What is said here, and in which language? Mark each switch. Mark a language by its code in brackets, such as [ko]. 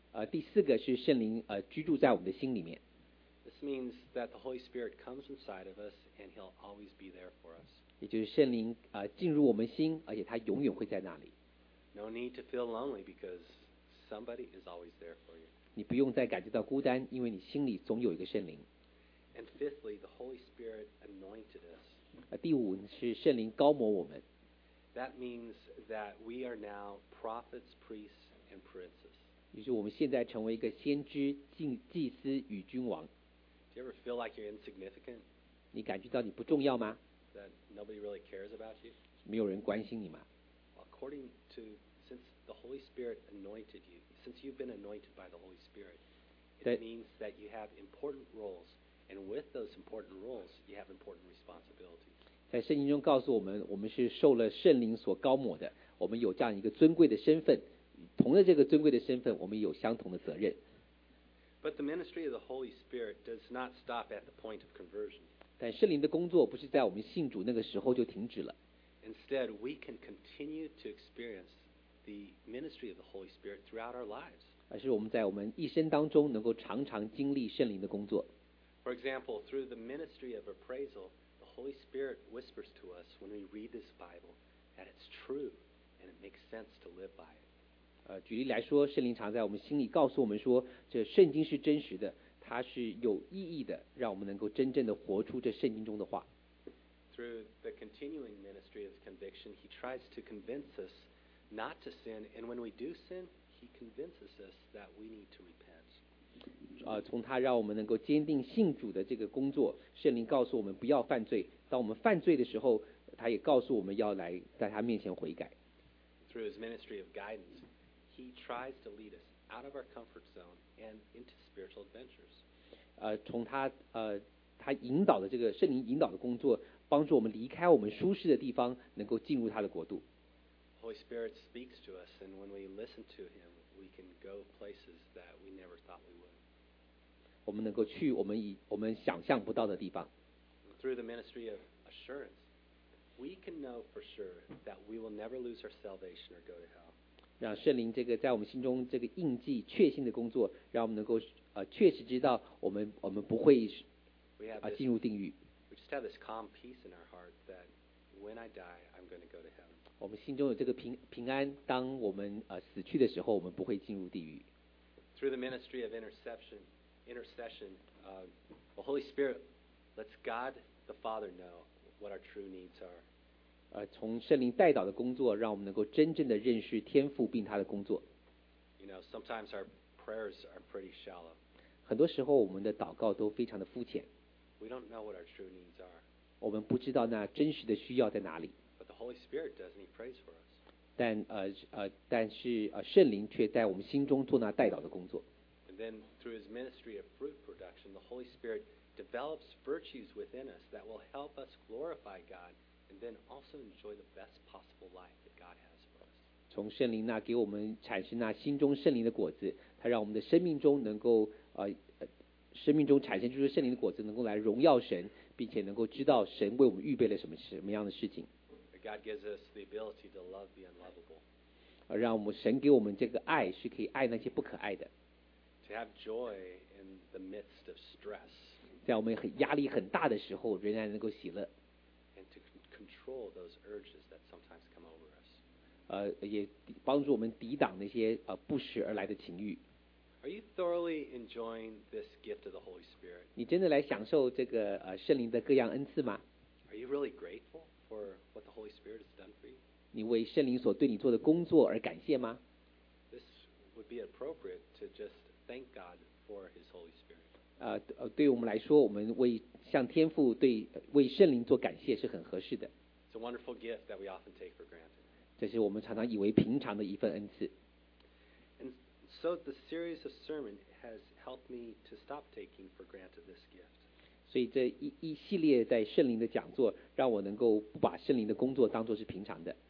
[zh] 第四个是圣灵居住在我们的心里面。 [en] This means that the Holy Spirit comes inside of us and He'll always be there for us. [zh] 也就是圣灵进入我们心，而且他永远会在那里。 [en] No need to feel lonely because somebody is always there for you. [zh] 你不用再感觉到孤单，因为你心里总有一个圣灵。 [en] And fifthly, the Holy Spirit anointed us. [zh] 第五是圣灵膏抹我们。 [en] That means that we are now prophets, priests, and princes. [zh] 也就是我们现在成为一个先知、祭司与君王。 [en] Do you ever feel like you're insignificant? [zh] 你感觉到你不重要吗？ [en] That nobody really cares about you? [zh] 没有人关心你吗？ [en] According to, since the Holy Spirit anointed you, since you've been anointed by the Holy Spirit, it means that you have important roles, and with those important roles, you have important responsibilities. [zh] 在圣经中告诉我们，我们是受了圣灵所膏抹的，我们有这样一个尊贵的身份，同着这个尊贵的身份，我们有相同的责任。 [en] But the ministry of the Holy Spirit does not stop at the point of conversion. [zh] 但圣灵的工作不是在我们信主那个时候就停止了。 [en] Instead, we can continue to experience the ministry of the Holy Spirit throughout our lives. [zh] 而是我们在我们一生当中能够常常经历圣灵的工作。 [en] For example, through the ministry of appraisal, the Holy Spirit whispers to us when we read this Bible that it's true and it makes sense to live by it. [zh] 举例来说，圣灵常在我们心里告诉我们说，这圣经是真实的，它是有意义的，让我们能够真正的活出这圣经中的话。 [en] Through the continuing ministry of conviction, he tries to convince us not to sin, and when we do sin, he convinces us that we need to repent. [zh] 从他让我们能够坚定信主的这个工作，圣灵告诉我们不要犯罪。当我们犯罪的时候，他也告诉我们要来在他面前悔改。 [en] Through his ministry of guidance. He tries to lead us out of our comfort zone and into spiritual adventures. [zh] 从他引导的这个圣灵引导的工作，帮助我们离开我们舒适的地方，能够进入他的国度。 [en] Holy Spirit speaks to us, and when we listen to Him, we can go places that we never thought we would. [zh] 我们能够去我们想象不到的地方。 [en] Through the ministry of assurance, we can know for sure that we will never lose our salvation or go to hell. [zh] 让圣灵这个在我们心中这个印记确信的工作，让我们能够确实知道我们不会进入定狱。 [en] We just have this calm peace in our heart that when I die, I'm going to go to heaven. [zh] 我们心中有这个平安，当我们死去的时候，我们不会进入地狱。 [en] Through the ministry of intercession, the Holy Spirit lets God the Father know what our true needs are. [zh] 从圣灵带导的工作，让我们能够真正的认识天父并他的工作。 [en] You know, sometimes our prayers are pretty shallow. [zh] 很多时候我们的祷告都非常的肤浅。 [en] We don't know what our true needs are. [zh] 我们不知道那真实的需要在哪里。 [en] But the Holy Spirit does, and He prays for us. [zh] 但是圣灵却在我们心中做那带导的工作。 [en] And then through His ministry of fruit production, the Holy Spirit develops virtues within us that will help us glorify God. And then also enjoy the best possible life that God has for us. [zh] 从圣灵那给我们产生那心中圣灵的果子，它让我们的生命中能够生命中产生就是圣灵的果子，能够来荣耀神，并且能够知道神为我们预备了什么样的事情。 [en] God gives us the ability to love the unlovable. [zh] 让我们神给我们这个爱是可以爱那些不可爱的。 [en] To have joy in the midst of stress. [zh] 在我们很压力很大的时候，仍然能够喜乐。 [en] Control those urges that sometimes come over us. [zh] 也帮助我们抵挡那些不时而来的情欲。 [en] Are you thoroughly enjoying this gift of the Holy Spirit? [zh] 你真的来享受这个圣灵的各样恩赐吗？ [en] Are you really grateful for what the Holy Spirit has done for you? [zh] 你为圣灵所对你做的工作而感谢吗？ [en] This would be appropriate to just thank God for His Holy Spirit. [zh] 对我们来说，我们为向天父对为圣灵做感谢是很合适的。 [en] It's a wonderful gift that we often take for granted. [zh] 这是我们常常以为平常的一份恩赐。 [en] And so the series of sermon has helped me to stop taking for granted this gift. [zh] 所以这一系列在圣灵的讲座，让我能够不把圣灵的工作当作是平常的。